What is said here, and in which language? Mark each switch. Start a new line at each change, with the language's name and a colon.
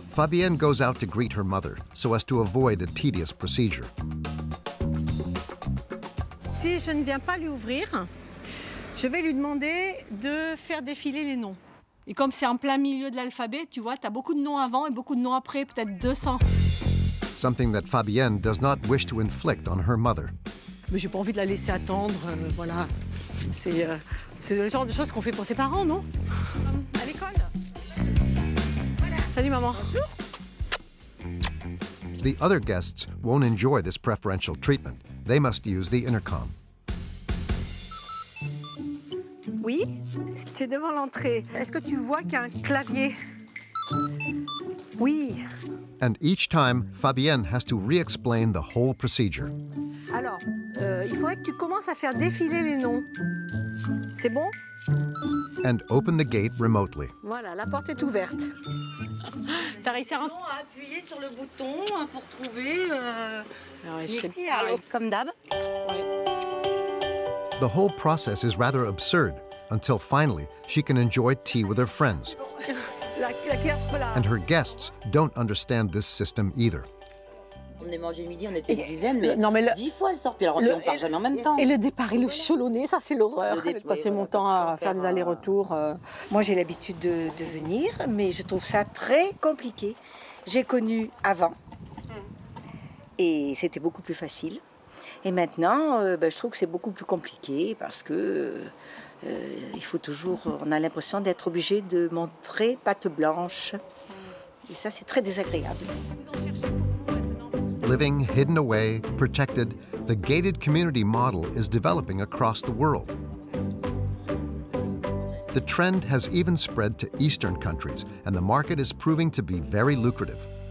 English: Fabienne goes out to greet her mother, so as to avoid a tedious procedure.
French: Si je ne viens pas lui ouvrir, je vais lui demander de faire défiler les noms. Et comme c'est en plein milieu de l'alphabet, tu vois, t'as beaucoup de noms avant et beaucoup de noms après, peut-être 200.
English: Something that Fabienne does not wish to inflict on her mother.
French: Mais j'ai pas envie de la laisser attendre, voilà. C'est le genre de choses qu'on fait pour ses parents, non? À l'école. Voilà. Salut, maman. Bonjour.
English: The other guests won't enjoy this preferential treatment. They must use the intercom.
French: Oui, tu es devant l'entrée. Est-ce que tu vois qu'il y a un clavier? Oui.
English: And each time, Fabienne has to re-explain the whole procedure.
French: Alors, il faudrait que tu commences à faire défiler les noms. C'est bon?
English: And open the gate remotely.
French: Voilà, la porte est ouverte. T'as réussi à rentrer? Appuyer sur le bouton pour trouver... comme d'hab.
English: The whole process is rather absurd, until finally she can enjoy tea with her friends. And her guests don't understand this system either.
French: On est mangé le midi, on était une dizaine, mais, non, mais le, 10 fois elle sort, puis elle ne part jamais en même temps. Et le départ et le chelonné, ça c'est l'horreur. J'ai passé mon temps à faire des allers-retours. Moi j'ai l'habitude de venir, mais je trouve ça très compliqué. J'ai connu avant, et c'était beaucoup plus facile. Et maintenant, je trouve que c'est beaucoup plus compliqué parce que il faut toujours, on a l'impression d'être obligé de montrer patte blanche. Et ça, c'est très désagréable.
English: Living hidden away, protected, the gated community model is developing across the world. The trend has even spread to Eastern countries, and the market is proving to be very lucrative.